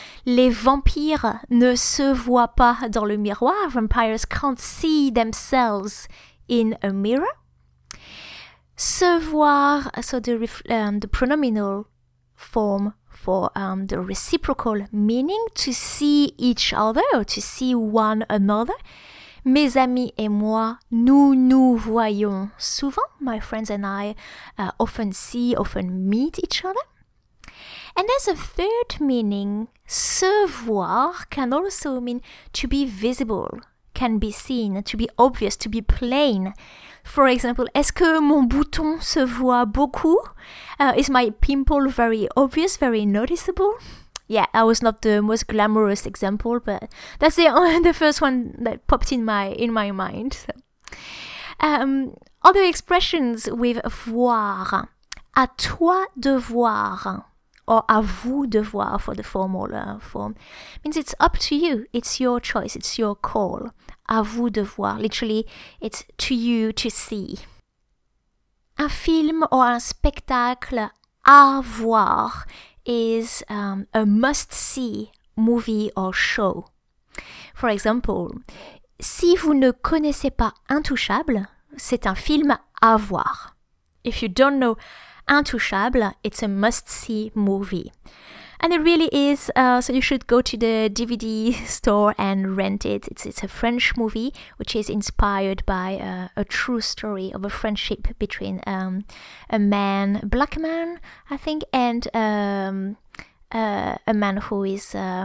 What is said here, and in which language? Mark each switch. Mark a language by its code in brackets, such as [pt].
[fr] Les vampires ne se voient pas dans le miroir. [en] Vampires can't see themselves in a mirror. Se voir, so the pronominal form for the reciprocal meaning, to see each other or to see one another. [fr] Mes amis et moi, nous nous voyons souvent. [en] My friends and I often see, often meet each other. And there's a third meaning. Se voir can also mean to be visible, can be seen, to be obvious, to be plain. For example, [fr] est-ce que mon bouton se voit beaucoup? [en] Is my pimple very obvious, very noticeable? Yeah, that was not the most glamorous example, but that's the first one that popped in my mind. So. Other expressions with voir. [fr] À toi de voir, [en] or [fr] à vous de voir [en] for the formal form, means it's up to you, it's your choice, it's your call. [fr] À vous de voir, [en] literally, it's to you to see. Un film or [fr] un spectacle à voir [en] is a must-see movie or show. For example, [fr] si vous ne connaissez pas Intouchable, c'est un film à voir. [en] If you don't know Intouchable, it's a must-see movie. And it really is, so you should go to the DVD store and rent it. It's a French movie, which is inspired by a true story of a friendship between a man, a black man, I think, and a man who is,